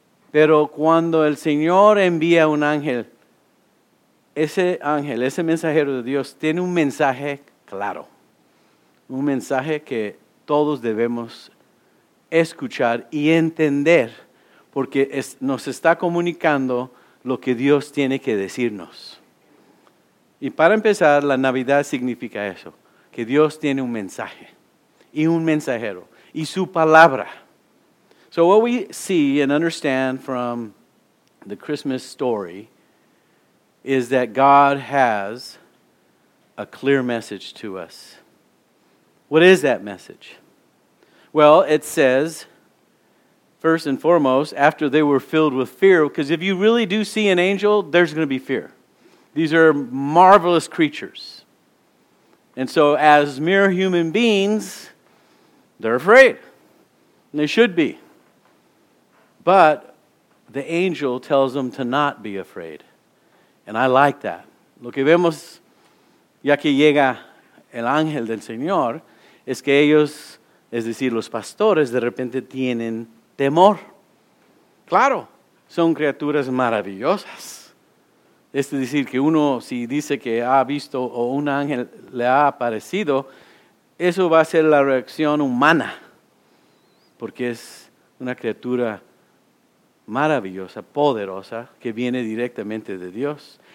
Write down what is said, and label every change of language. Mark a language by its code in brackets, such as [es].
[es] Pero cuando el Señor envía un ángel, ese ángel, ese mensajero de Dios, tiene un mensaje claro, un mensaje que todos debemos escuchar y entender, porque nos está comunicando lo que Dios tiene que decirnos. Y para empezar, la Navidad significa eso, que Dios tiene un mensaje y un mensajero y su palabra. [en] So what we see and understand from the Christmas story is that God has a clear message to us. What is that message? Well, it says, first and foremost, after they were filled with fear, because if you really do see an angel, there's going to be fear. These are marvelous creatures. And so as mere human beings, they're afraid. And they should be. But the angel tells them to not be afraid. And I like that. [es] Lo que vemos, ya que llega el ángel del Señor, es que ellos, es decir, los pastores, de repente tienen temor. Claro, son criaturas maravillosas. Es decir, que uno, si dice que ha visto o un ángel le ha aparecido, eso va a ser la reacción humana, porque es una criatura maravillosa, poderosa, que viene directamente de Dios.